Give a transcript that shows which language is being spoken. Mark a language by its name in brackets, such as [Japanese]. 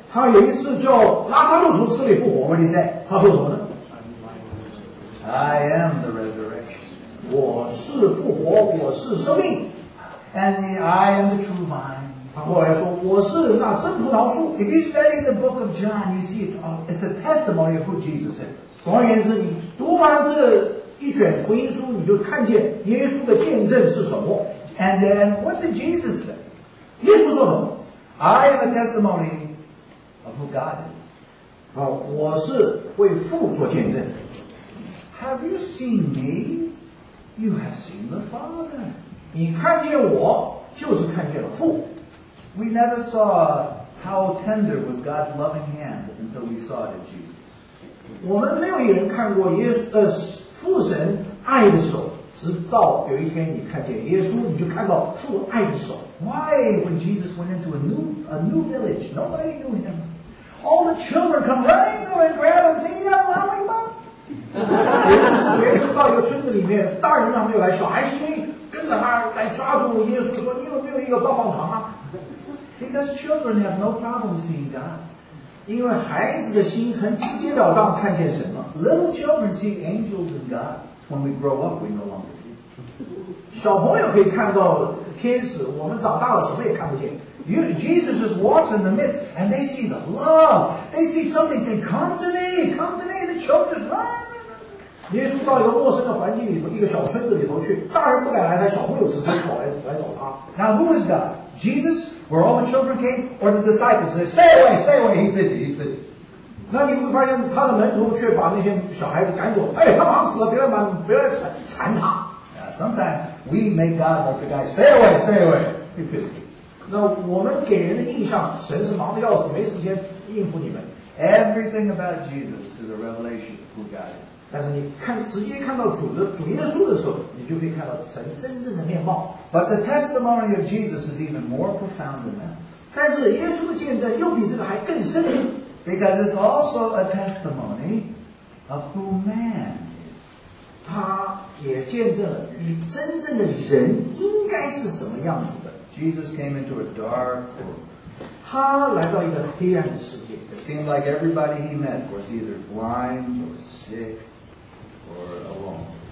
[Chinese] 他有一次叫拉撒路从死里复活。 [English] What did he say? [Chinese] 他说什么呢？ [English] I am the resurrection. [Chinese] 我是复活，我是生命。 [English] And I am the true vine. [Chinese] 他后来说我是那真葡萄树。 [English] If you study the book of John, you see it's a testimony of who Jesus is. [Chinese] 总而言之，你读完这 一卷福音书，你就看见耶稣的见证是什么。 [English] And then, what did Jesus say? [Chinese] 耶稣说什么？ [English] I am a testimony of who God is. [Chinese] 我是为父做见证。 [English] Have you seen me? You have seen the Father. [Chinese] 你看见我，就是看见了父。 [English] We never saw how tender was God's loving hand until we saw it in Jesus. [Chinese] 我们没有一人看过耶稣， 父神爱的手，直到有一天你看见耶稣，你就看到父爱的手。 [English] Why? When Jesus went into a new village, nobody knew him. All the children come running to him and grab him, say, you have a lollipop? [Chinese] 耶稣到一个村子里面，大人还没有来，小孩子跟着他来抓住耶稣，说，你有没有一个棒棒糖啊？ [English] Because children have no problem seeing God. [Chinese] 因为孩子的心很直接了当看见神了。 [English] Little children see angels and God. When we grow up, we no longer see. [Chinese] 小朋友可以看到天使，我们长大了什么也看不见。 [English] Jesus just walks in the midst, and they see the love. They see something. Say, come to me, the children run. [Chinese] 耶稣到一个陌生的环境里头，一个小村子里头去，大人不敢来，他小朋友直接跑来来找他。 [English] Now who is God? Jesus, where all the children came, or the disciples? They say, stay away, stay away. He's busy, he's busy. [Chinese] 那你会发现他的门徒却把那些小孩子赶走。哎，他忙死了，别来忙，别来缠缠他。 [English] Now, sometimes we make God like the guy, stay away, stay away. He's busy. [Chinese] 那我们给人的印象，神是忙得要死，没时间应付你们。 [English] Everything about Jesus is a revelation of who God is. [Chinese] 但是你看，直接看到主的主耶稣的时候，你就可以看到神真正的面貌。 [English] But the testimony of Jesus is even more profound than that. [Chinese] 但是耶稣的见证又比这个还更深。 [English] Because it's also a testimony of who man is. [Chinese] 他也见证了你真正的人应该是什么样子的。 [English] Jesus came into a dark world. [Chinese] 他来到一个黑暗的世界。 [English] It seemed like everybody he met was either blind or sick. Or alone.